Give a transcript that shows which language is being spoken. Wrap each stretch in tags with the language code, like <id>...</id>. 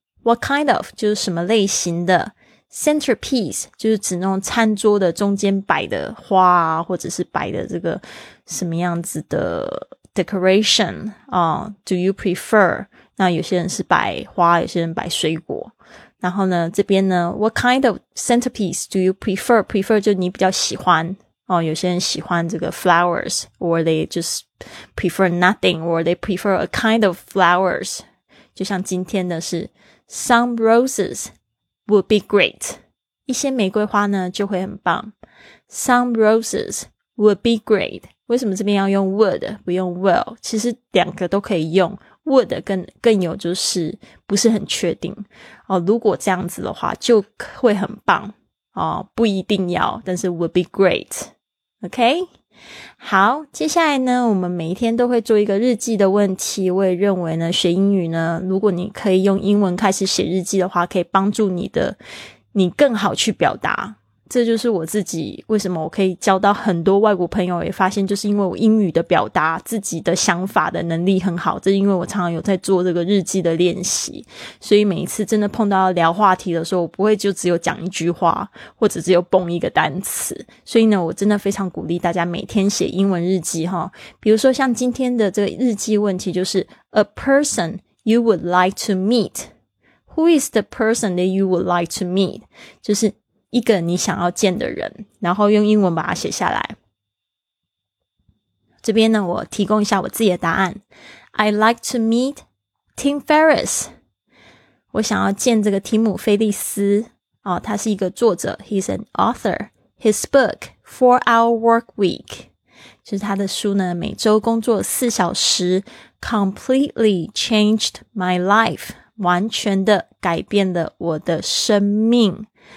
<en>What kind of</en> <zh>就是什么类型的， centerpiece 就是指那种餐桌的中间摆的花啊，或者是摆的这个什么样子的</zh> <en>decoration、do you prefer?</en> <zh>那有些人是摆花，有些人摆水果。然后呢，这边呢 ,</zh> <en>What kind of centerpiece do you prefer? Prefer</en> <zh>就你比较喜欢、哦、有些人喜欢这个</zh> <en>flowers, or they just prefer nothing, or they prefer a kind of flowers.</en> <zh>就像今天的是 ,</zh> <en>Some roses would be great.</en> <zh>一些玫瑰花呢就会很棒。</zh> <en>Some roses would be great.</en> <zh>为什么这边要用 would, 不用 will? 其实两个都可以用。 Would 更有就是不是很确定、哦、如果这样子的话就会很棒、哦、不一定要，但是</zh> <en>would be great OK</en> <zh>好，接下来呢我们每一天都会做一个日记的问题。我也认为呢，学英语呢，如果你可以用英文开始写日记的话，可以帮助你更好去表达。这就是我自己为什么我可以交到很多外国朋友，也发现就是因为我英语的表达自己的想法的能力很好，这因为我常常有在做这个日记的练习，所以每一次真的碰到聊话题的时候，我不会就只有讲一句话或者只有蹦一个单词。所以呢，我真的非常鼓励大家每天写英文日记哈。比如说像今天的这个日记问题，就是</zh> <en>A person you would like to meet. Who is the person that you would like to meet?</en> <zh>就是一个你想要见的人，然后用英文把它写下来。这边呢，我提供一下我自己的答案。</zh> <en>I'd like to meet Tim Ferriss.</en> <zh>我想要见这个提姆·菲利斯、哦、他是一个作者。</zh> <en>He's an author. His book, 4-Hour Work Week.</en> <zh>就是他的书呢，每周工作四小时 ,</zh> <en>completely changed my life.</en> <zh>完全的改变了我的生命。</zh>